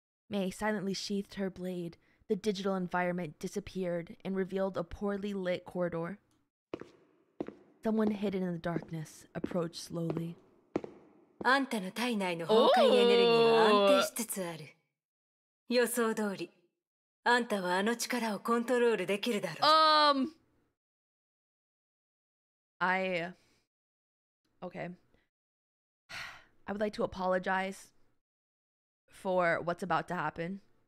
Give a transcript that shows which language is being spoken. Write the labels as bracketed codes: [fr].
[en] MEI silently sheathed her blade. The digital environment disappeared and revealed a poorly lit corridor. Someone hidden in the darkness approached slowly. [ja] あんたの体内の崩壊エネルギーは安定しつつある。予想通り、あんたはあの力をコントロールできるだろう。 [en] I would like to apologize for what's about to happen.